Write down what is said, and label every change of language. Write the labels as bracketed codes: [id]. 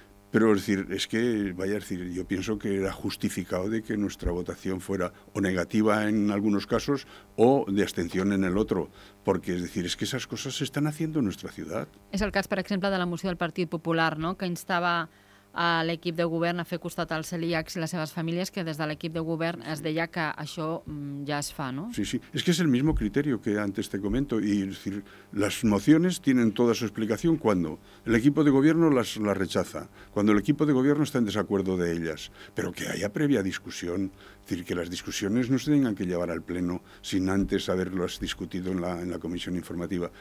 [es] Pero es decir, yo pienso que era justificado de que nuestra votación fuera o negativa en algunos casos o de abstención en el otro, porque es decir, es que esas cosas se están haciendo en nuestra ciudad. [ca] És el cas, per exemple, de la moció del Partit Popular, no?, que instava a l'equip de govern a fer costat als celíacs i les seves famílies, que des de l'equip de govern es deia que això ja es fa, no? [es] Sí, sí. Es que es el mismo criterio que antes te comento. Y, es decir, las mociones tienen toda su explicación cuando el equipo de gobierno las rechaza, cuando el equipo de gobierno está en desacuerdo de ellas, pero que haya previa discusión. Es decir, que las discusiones no se tengan que llevar al pleno sin antes haberlas discutido en la comisión informativa.